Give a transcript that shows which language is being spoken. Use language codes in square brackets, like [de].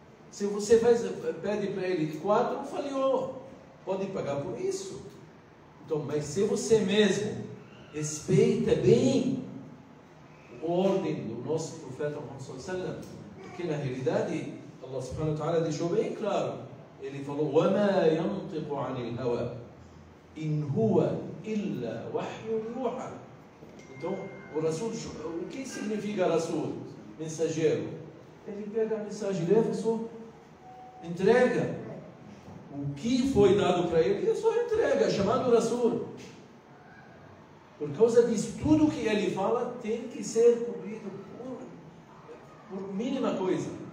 [pt] Se você pede para ele 4, falhou. Pode pagar por isso. Então, mas se você mesmo respeita bem a ordem do nosso profeta Muhammad, porque na realidade Allah subhanahu wa ta'ala deixou bem claro, Ele falou: [ar] "وما ينطق عن الهوى إن هو إلا وحي يوحى". [pt] Então, o Rasul, o que significa Rasul? Mensageiro. Ele pega a mensagem, leva só, entrega. O que foi dado para ele, ele só entrega, chamado Rasul. Por causa disso, tudo que ele fala tem que ser cumprido por mínima coisa.